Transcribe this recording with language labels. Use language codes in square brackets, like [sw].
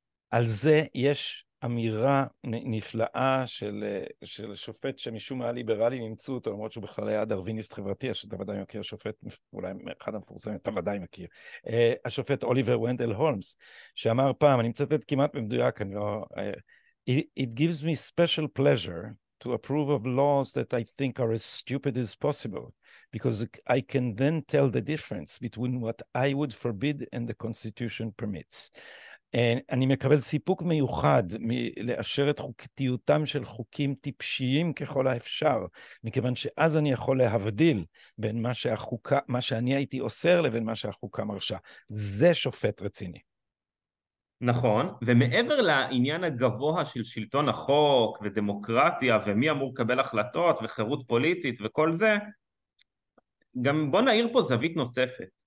[he] על זה יש אמירה נפלאה של, של שופט שמשום מה ליברלים ימצאו אותו, למרות שהוא בכלל היה דרוויניסט חברתי, שאתה ודאי מכיר, שופט אולי אחד המפורסמים, אתה ודאי מכיר, השופט אוליבר ונדל הולמס, שאמר פעם, אני מצטט כמעט במדויק, אני לא... [en] It gives me special pleasure to approve of laws that I think are as stupid as possible, because I can then tell the difference between what I would forbid and the Constitution permits. [he] אני מקבל סיפוק מיוחד מלאשר את חוקתיותם של חוקים טיפשיים ככל האפשר, מכיוון שאז אני יכול להבדיל בין מה שהחוקה, מה שאני הייתי אוסר לבין מה שהחוקה מרשה. זה שופט רציני. נכון, ומעבר לעניין הגבוה של שלטון החוק ודמוקרטיה ומי אמור לקבל החלטות וחירות פוליטית וכל זה, גם בוא נעיר פה זווית נוספת.